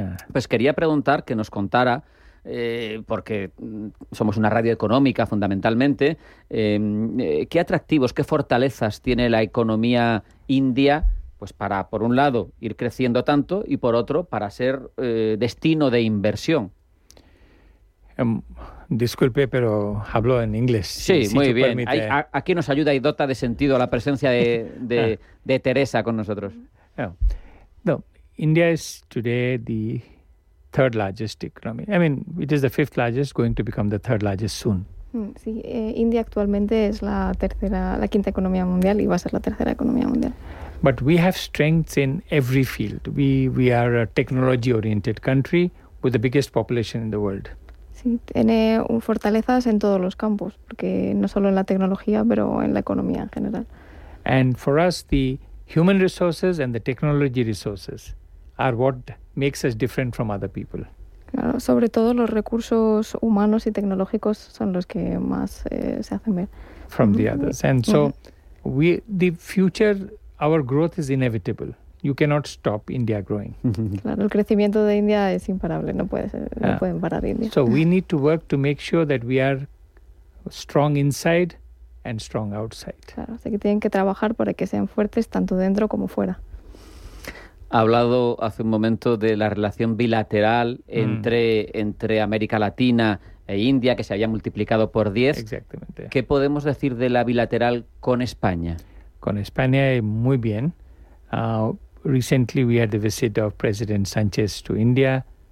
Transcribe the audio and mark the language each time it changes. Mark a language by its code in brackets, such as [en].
[es] Pues quería preguntar que nos contara, porque somos una radio económica fundamentalmente, ¿qué atractivos, qué fortalezas tiene la economía india pues para, por un lado, ir creciendo tanto y, por otro, para ser destino de inversión? Disculpe, pero hablo en inglés. Sí, si muy bien. Aquí nos ayuda y dota de sentido la presencia de Teresa con nosotros. [en] No, India is today the third largest economy. I mean, it is the fifth largest, going to become the third largest soon. [es] Sí, India actualmente es la quinta economía mundial y va a ser la tercera economía mundial. [en] But we have strengths in every field. We are a technology-oriented country with the biggest population in the world. [es] Tiene fortalezas en todos los campos, porque no solo en la tecnología, pero en la economía en general. [en] And for us, the human resources and the technology resources are what makes us different from other people. [es] Claro, sobre todo los recursos humanos y tecnológicos son los que más se hacen ver. [en] From the others. And so the future, our growth is inevitable. You cannot stop India growing. [es] Claro, el crecimiento de India es imparable, no pueden parar India. [en] So we need to work to make sure that we are strong inside and strong outside. [es] Claro, así que tienen que trabajar para que sean fuertes tanto dentro como fuera. Ha hablado hace un momento de la relación bilateral entre América Latina e India, que se había multiplicado por 10. Exactamente. ¿Qué podemos decir de la bilateral con España? Con España, muy bien. [en] Recently we had the visit of President Sánchez to India.